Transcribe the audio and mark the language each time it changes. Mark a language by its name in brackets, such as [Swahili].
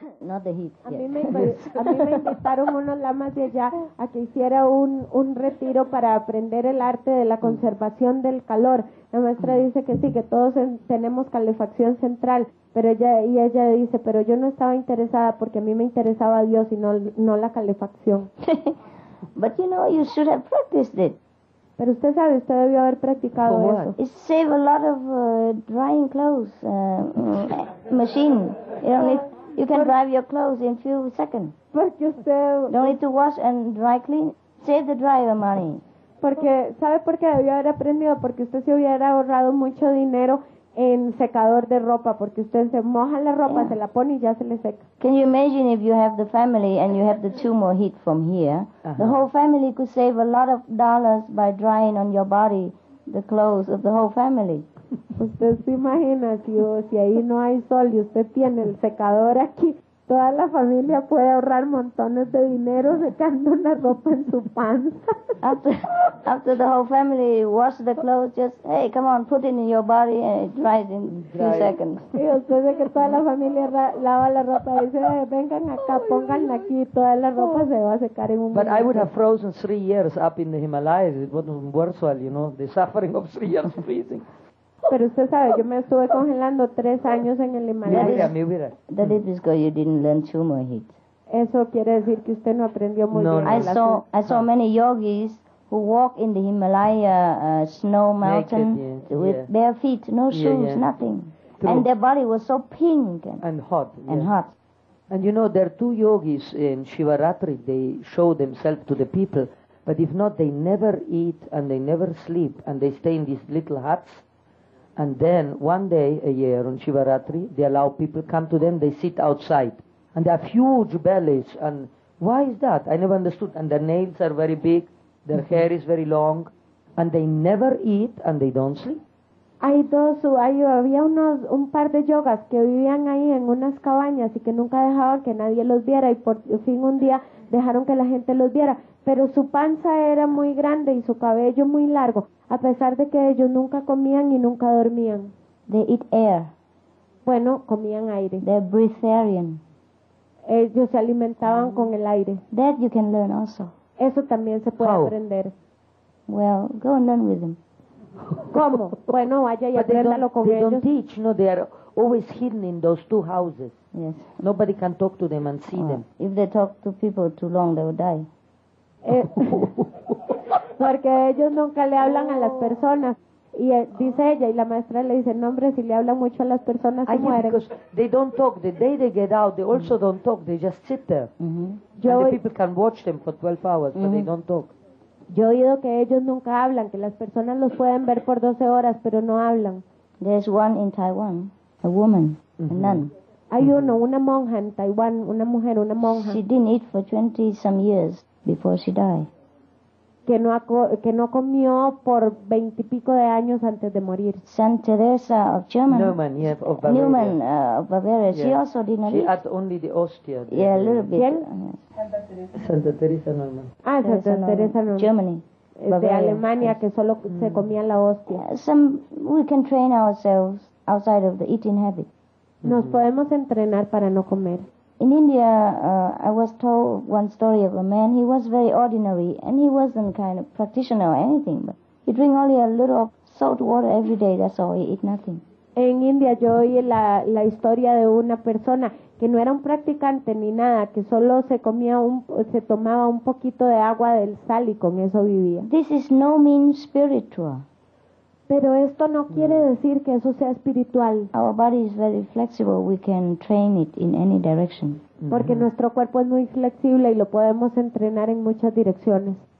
[English] Not the heat. [Spanish] A mí me invitaron unos lamas de allá a que hiciera un retiro para aprender el arte de la conservación del calor. La maestra dice que sí, que todos tenemos calefacción central. Pero ella dice, pero yo no estaba interesada porque a mí me interesaba Dios y no la calefacción. [English] But you know, you should have practiced it. [Spanish] Pero usted sabe, usted debió haber practicado eso. [English] It saves a lot of drying clothes machine. You can dry your clothes in few seconds. [Spanish] Porque usted [English] don't need to wash and dry clean. Save the dryer money. [Spanish] Porque sabe por qué debió haber aprendido, porque usted se hubiera ahorrado mucho dinero en secador de ropa, porque usted se moja la ropa, se la pone y ya se le seca. [English] Can you imagine if you have the family and you have the tumor heat from here? The whole family could save a lot of dollars by drying on your body the clothes of the whole family. [Spanish] Usted se imagina si ahí no hay sol y usted tiene el secador aquí, toda la familia puede ahorrar montones de dinero secando la ropa en su panza. [English] After the whole family wash the clothes, just, hey, come on, put it in your body and it dries in few seconds. [Spanish] Y después de que toda la familia lava la ropa, dice, hey, vengan acá, pónganla aquí, toda la ropa se va a secar en un [English] But minute. I would have frozen 3 years up in the Himalayas. It wasn't worthwhile, you know, the suffering of 3 years freezing. [Spanish] Pero usted sabe, yo me estuve congelando 3 años en el Himalaya. [English] That is because you didn't learn tumor heat. [Spanish] Eso quiere decir que usted no aprendió muy bien. [English] I saw many yogis who walk in the Himalaya snow mountain naked, yes, with bare feet, no shoes, nothing. True. And their body was so pink. And hot. And hot. And you know, there are 2 yogis in Shivaratri, they show themselves to the people. But if not, they never eat and they never sleep and they stay in these little huts. And then one day a year on Shivaratri, they allow people come to them, they sit outside. And they have huge bellies. And why is that? I never understood. And their nails are very big, their hair is very long, and they never eat and they don't sleep. [Spanish] Hay dos, había un par de yogas que vivían ahí en unas cabañas y que nunca dejaban que nadie los viera. Y por fin un día dejaron que la gente los viera. Pero su panza era muy grande y su cabello muy largo, a pesar de que ellos nunca comían y nunca dormían. [English] They eat air. [Spanish] Bueno, comían aire. [English] They're breatharian. [Spanish] Ellos se alimentaban con el aire. [English] That you can learn also. [Spanish] Eso también se puede aprender. [English] Well, go and learn with them. [Spanish] ¿Cómo? Bueno, vaya y apréndalo con ellos. [English] They don't teach. No, they are always hidden in those 2 houses. Yes. Nobody can talk to them and see them. If they talk to people too long, they will die. [Spanish] Porque ellos nunca le hablan a las personas y dice ella y la maestra le dice, no hombre, si le hablan mucho a las personas se mueren. [English] Because they don't talk the day they get out, they also don't talk, they just sit there. And the people can watch them for 12 hours, but they don't talk. [Spanish] Yo he oído que ellos nunca hablan, que las personas los pueden ver por 12 horas, pero no hablan. [English] There's one in Taiwan, a woman, a nun. [Spanish] Hay uno, una monja en Taiwán, una mujer, una monja. [English] She didn't eat for 20 some years before she died. [Spanish] Que no comió por 20 y pico de años antes de morir. [English] Saint Teresa of German. Neumann, yes, of Bavaria. Neumann, of Bavaria. Yes. She also did not eat. She ate only the ostia. Yeah, a little bit. [Spanish] Santa Teresa Neumann. Ah, Santa Teresa Neumann. [English] Germany. [Spanish] de Alemania que solo se comía la hostia. [English] We can train ourselves outside of the eating habit. [Spanish] Nos podemos entrenar para no comer. [English] In India, I was told one story of a man. He was very ordinary, and he wasn't kind of practitioner or anything. But he drink only a little salt water every day. That's all. He eat nothing. [Spanish] En India, yo oí la historia de una persona que no era un practicante ni nada, que solo se tomaba un poquito de agua del sal y con eso vivía. [English] This is no mean spiritual. [Spanish] Pero esto no quiere decir que eso sea espiritual. [English] Our body is very flexible. We can train it in any direction. [Spanish] Porque nuestro cuerpo es muy flexible y lo podemos entrenar en muchas direcciones.